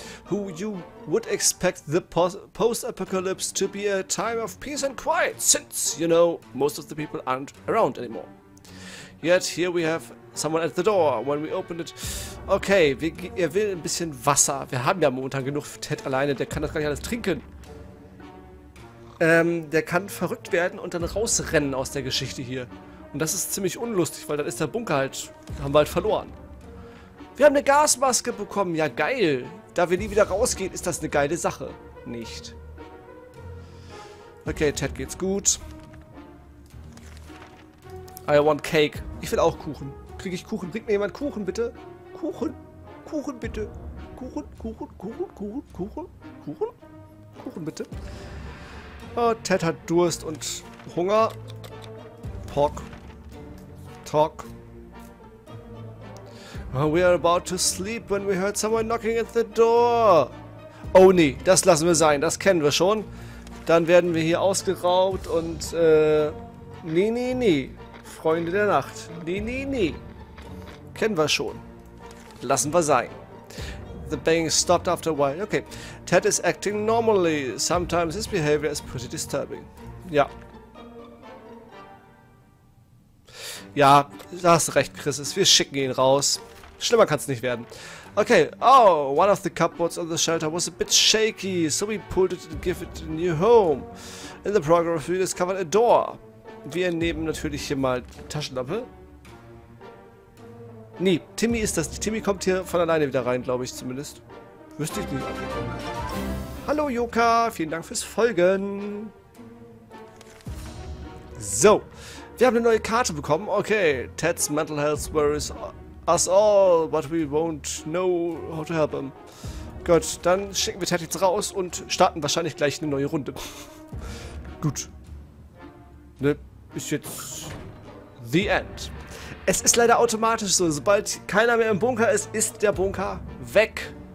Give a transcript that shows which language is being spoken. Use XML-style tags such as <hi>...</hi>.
<en>Who you would expect the post-apocalypse to be a time of peace and quiet, since, you know, most of the people aren't around anymore. Yet here we have someone at the door when we open it.</en> <de>Okay, er will ein bisschen Wasser. Wir haben ja momentan genug für Ted alleine. Der kann das gar nicht alles trinken. Der kann verrückt werden und dann rausrennen aus der Geschichte hier. Und das ist ziemlich unlustig, weil dann ist der Bunker halt, haben wir halt verloren. Wir haben eine Gasmaske bekommen. Ja, geil. Da wir nie wieder rausgehen, ist das eine geile Sache. Nicht. Okay, Ted geht's gut.</de> <en>I want cake.</en> <de>Ich will auch Kuchen. Kriege ich Kuchen? Bringt mir jemand Kuchen, bitte? Kuchen. Kuchen, bitte. Kuchen, Kuchen, Kuchen, Kuchen, Kuchen, Kuchen. Kuchen, bitte. Oh, Ted hat Durst und Hunger. Pork. Talk.</de> <en>We are about to sleep when we heard someone knocking at the door.</en> <de>Oh nee, das lassen wir sein. Das kennen wir schon. Dann werden wir hier ausgeraubt und nee, nee, nee. Freunde der Nacht. Nee, nee, nee. Kennen wir schon. Lassen wir sein.</de> <en>The banging stopped after a while. Okay. Ted is acting normally. Sometimes his behavior is pretty disturbing. Ja.</en> <de>Ja, da hast du recht, Chris. Wir schicken ihn raus. Schlimmer kann es nicht werden. Okay.</de> <en>Oh, one of the cupboards on the shelter was a bit shaky, so we pulled it and gave it a new home. In the progress, we discovered a door.</en> <de>Wir nehmen natürlich hier mal Taschenlampe. Nee, Timmy ist das. Timmy kommt hier von alleine wieder rein, glaube ich zumindest. Wüsste ich nicht. Hallo, Yoka. Vielen Dank fürs Folgen. So. Wir haben eine neue Karte bekommen. Okay.</de> <en>Ted's mental health worries us all, but we won't know how to help him.</en> <de>Gut, dann schicken wir Ted jetzt raus und starten wahrscheinlich gleich eine neue Runde. Gut. Ne, ist jetzt</de> <en>the end.</en> <de>Es ist leider automatisch so, sobald keiner mehr im Bunker ist, ist der Bunker weg.</de>